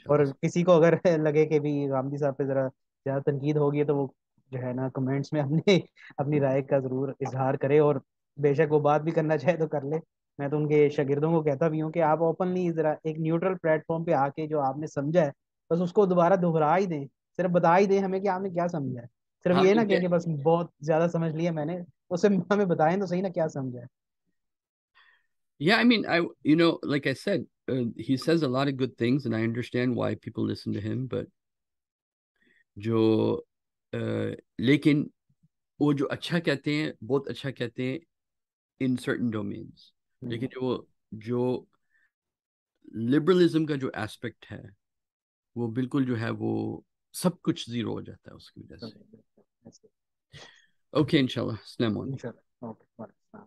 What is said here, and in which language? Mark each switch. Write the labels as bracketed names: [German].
[Urdu] اور کسی کو اگر لگے کہ بھی غامدی صاحب پہ ذرا زیادہ تنقید ہوگی تو وہ جو ہے نا کمنٹس میں اپنی رائے کا ضرور اظہار کرے, اور بے شک وہ بات بھی کرنا چاہے تو کر لے. میں تو ان کے شاگردوں کو کہتا بھی ہوں کہ آپ اوپنلی ذرا ایک نیوٹرل پلیٹ فارم پہ آ کے جو آپ نے سمجھا ہے بس اس کو دوبارہ دہرا ہی دیں, صرف بتا ہی دیں ہمیں کہ آپ نے کیا سمجھا ہے, صرف یہ نہ کہیں کہ بس بہت زیادہ سمجھ لیا میں نے, اسے ہمیں بتائیں تو صحیح نہ کیا سمجھا ہے. [English] Yeah, I mean, I, you know, like I said, he says a lot of good things and I understand why people listen to him, but [Urdu] جو لیکن وہ جو اچھا کہتے ہیں بہت اچھا کہتے ہیں ان سرٹن ڈومینز، لیکن جو جو لبرلزم کا جو ایسپیکٹ ہے وہ بالکل جو ہے وہ سب کچھ زیرو ہو جاتا ہے اس کی وجہ سے. اوکے، انشاءاللہ، السلام علیکم.